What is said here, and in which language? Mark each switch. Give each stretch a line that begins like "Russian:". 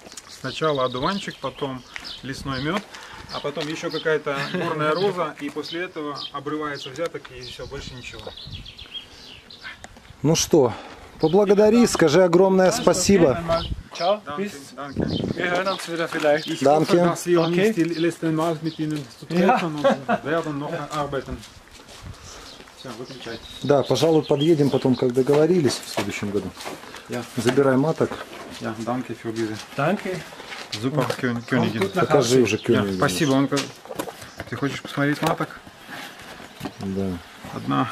Russian: Сначала одуванчик, потом лесной мед, а потом еще какая-то горная роза, и после этого обрывается взяток, и все, больше ничего. Ну что, поблагодари, скажи огромное спасибо.
German: Danke. Wir hören uns wieder vielleicht. Ich hoffe, dass wir uns die letzten Mal mit Ihnen zu treffen und werden noch arbeiten.
Russian: Да, пожалуй, подъедем потом, как договорились в следующем году.
English: Yeah.
Russian: Забирай маток.
German: Yeah, danke für diese. Danke. Super, Königin.
Russian: Покажи уже Königin. Yeah, спасибо, Анка. Ты хочешь посмотреть маток? Да. Одна.